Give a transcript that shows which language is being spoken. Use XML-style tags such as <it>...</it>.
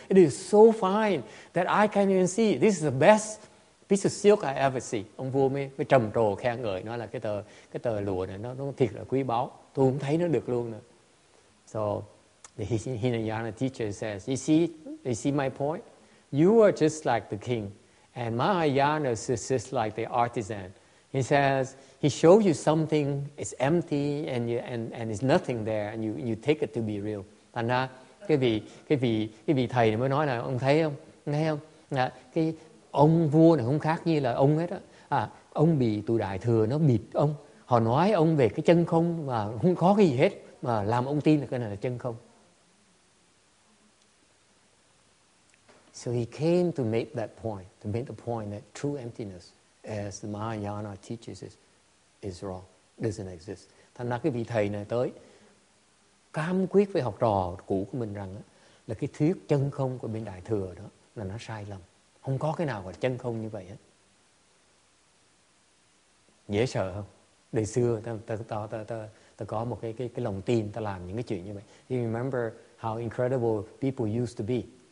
<en>It is so fine that I can't even see. This is the best piece of silk I ever see."</en> <vi>Ông vua mới trầm trồ khen ngợi, nói là cái tờ lụa này nó thiệt là quý báu. Tôi không thấy nó được luôn nữa.</vi> <en>So the Hinayana teacher says, "You see my point? You are just like the king, and Mahayana is just like the artisan." He says, he shows you something, it's empty, and it's nothing there, and you take it to be real.</en> <vi>Thành ra, cái vị thầy này mới nói là, ông thấy không? Nghe không? Là cái ông vua này không khác như là ông hết á. À, ông bị tù đại thừa, nó bịt ông. Họ nói ông về cái chân không, mà không có cái gì hết, mà làm ông tin là cái này là chân không.</vi> <en>So he came to make that point, to make the point that true emptiness, as the Mahayana teaches us, is wrong, doesn't exist.</en> <vi>Thành ra cái vị thầy này tới cam quyết với học trò cũ của mình rằng đó, là cái thuyết chân không của bên Đại Thừa đó là nó sai lầm. Không có cái nào gọi chân không như vậy hết. Dễ sợ không? Đời xưa ta có một cái lòng tin ta làm những cái chuyện như vậy.</vi> <en>You remember how incredible people used to be.</en>